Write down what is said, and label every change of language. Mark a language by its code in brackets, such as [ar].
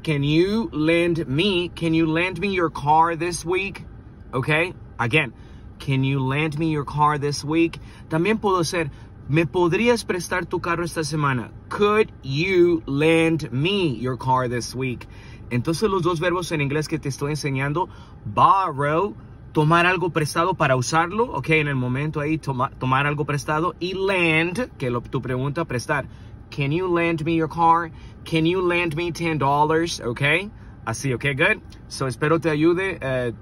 [en] Can you lend me your car this week? Okay, again, can you lend me your car this week? [es] También puedo hacer, ¿me podrías prestar tu carro esta semana? [en] Could you lend me your car this week? [es] Entonces, los dos verbos en inglés que te estoy enseñando, borrow, tomar algo prestado para usarlo, ok, en el momento ahí, tomar algo prestado, y lend, que lo tu pregunta, prestar. [en] Can you lend me your car? Can you lend me $10? [es] Ok, así, ok, good. So, espero te ayude.